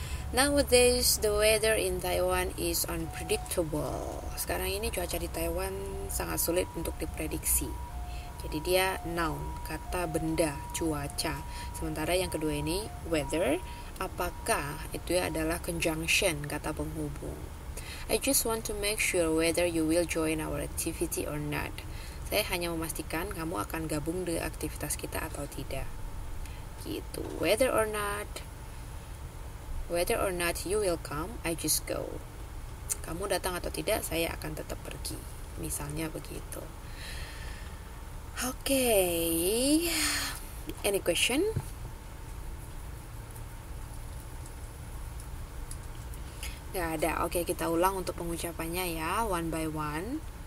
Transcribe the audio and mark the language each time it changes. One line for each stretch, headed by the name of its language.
English: Nowadays, the weather in Taiwan is unpredictable.
Indonesian: Sekarang ini cuaca di Taiwan sangat sulit untuk diprediksi. Jadi dia noun, kata benda, cuaca. Sementara yang kedua ini weather, apakah itu adalah conjunction, kata penghubung.
English: I just want to make sure whether you will join our activity or not.
Indonesian: Saya hanya memastikan kamu akan gabung di aktivitas kita atau tidak. Gitu,
English: whether or not. Whether or not you will come, I just go.
Indonesian: Kamu datang atau tidak, saya akan tetap pergi. Misalnya begitu.
English: Okay. Any question?
Indonesian: Gak ada. Okay, kita ulang untuk pengucapannya ya,
English: one by one.